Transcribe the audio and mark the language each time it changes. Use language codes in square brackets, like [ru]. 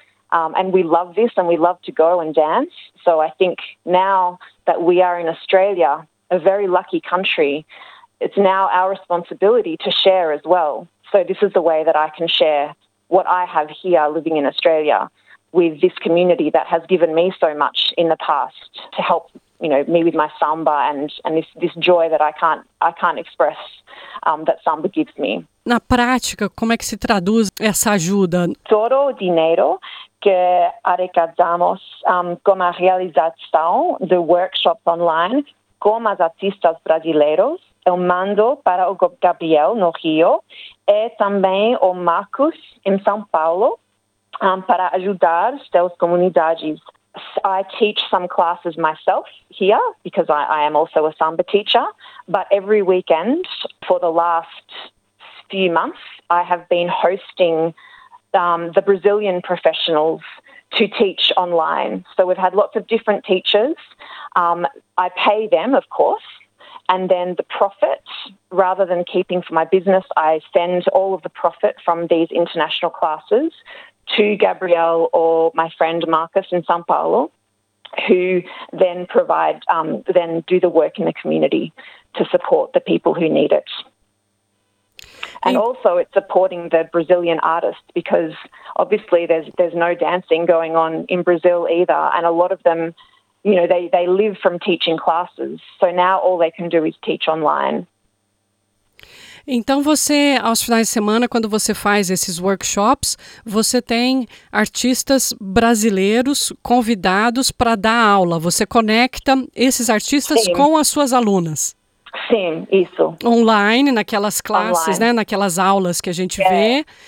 [en] And we love this and we love to go and dance. So I think now that we are in Australia, a very lucky country, it's now our responsibility to share as well. So this is the way that I can share what I have here living in Australia with this community that has given me so much in the past to help, you know, me with my samba and this joy that I can't express that samba gives me. [pt] Na prática, como é que se traduz essa ajuda? Todo o dinheiro que arrecadamos com a realização de workshops online com as artistas brasileiros eu mando para o Gabriel, no Rio, e também o Marcos, em São Paulo, para ajudar as comunidades. [en] I teach some classes myself here because I am also a samba teacher. But every weekend for the last few months, I have been hosting the Brazilian professionals to teach online. So we've had lots of different teachers. I pay them, of course. And then the profit, rather than keeping for my business, I send all of the profit from these international classes to Gabriel or my friend Marcus in São Paulo, who then provide, then do the work in the community to support the people who need it. And also it's supporting the Brazilian artists, because obviously there's no dancing going on in Brazil either. And a lot of them, you know, they live from teaching classes. So now all they can do is teach online. [pt] Então, você, aos finais de semana, quando você faz esses workshops, você tem artistas brasileiros convidados para dar aula. Você conecta esses artistas Sim. com as suas alunas. Sim, isso. Online, naquelas classes, Online. Né? Naquelas aulas que a gente [en] Yeah. [pt] vê.